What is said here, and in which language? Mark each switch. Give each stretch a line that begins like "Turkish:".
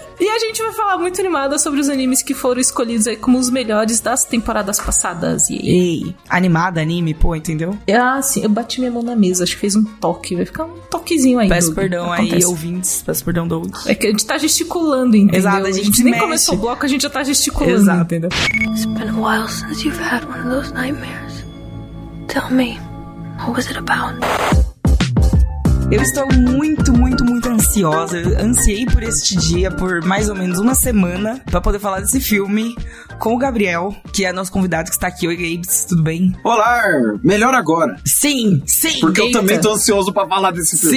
Portuguese: E a gente vai falar muito animada sobre os animes que foram escolhidos aí como os melhores das temporadas passadas. E aí? Ei, animada, anime, pô, entendeu? Ah, sim, eu bati minha mão na mesa, acho que fez um toque, vai ficar um toquezinho aí. Peço perdão aí, ouvintes, peço perdão, Doug. É que a gente tá gesticulando, entendeu? Exato, a gente nem começou o bloco, a gente já tá gesticulando. Exato, entendeu?
English: It's been a while since you've had one of those nightmares. Tell me, what was it about?
Portuguese: Eu estou muito, muito, muito ansiosa. Eu ansiei por este dia, por mais ou menos uma semana, pra poder falar desse filme com o Gabriel, que é nosso convidado que está aqui. Oi, Gabes, tudo bem? Olá, melhor agora. Sim, sim. Porque eu também estou ansioso pra falar desse filme.